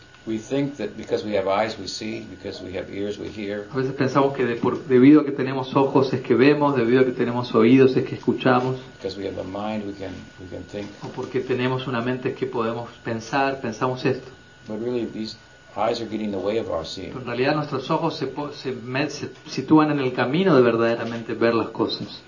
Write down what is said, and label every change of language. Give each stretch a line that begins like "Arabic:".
English: We think that because we have eyes we see, because we have ears we hear.
Spanish: A veces pensamos que debido a que tenemos ojos es que vemos, debido a que tenemos oídos es que escuchamos.
English: Because we have a mind we can think.
Spanish: O porque tenemos una mente es que podemos pensar, pensamos esto.
English: But really these eyes are getting in the way of our seeing.
Spanish: Pero en realidad nuestros ojos se sitúan en el camino de verdaderamente ver las cosas.